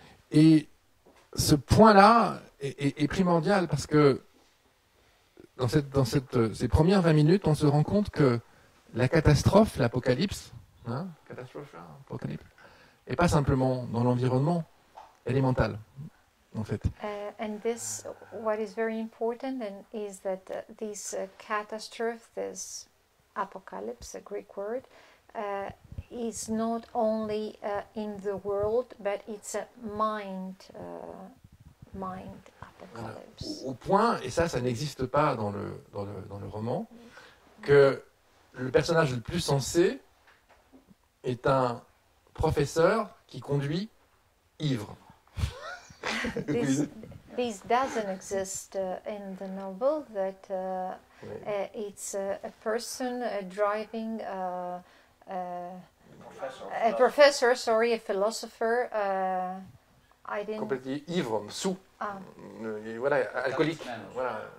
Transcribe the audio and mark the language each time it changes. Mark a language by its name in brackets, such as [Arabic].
[French] Et ce point-là est primordial parce que dans ces premières 20 minutes, on se rend compte que la catastrophe, l'apocalypse, n'est pas simplement dans l'environnement, elle est mentale. En fait. [English] And this, what is very important, and is that this catastrophe, this apocalypse, a Greek word, is not only in the world, but it's a mind apocalypse. [French] Voilà. Au point, et ça n'existe pas dans le roman, que le personnage le plus sensé est un professeur qui conduit ivre. [English] This doesn't exist in the novel that it's a person driving a philosopher I didn't [French] complètement ivre sous voilà alcoolique voilà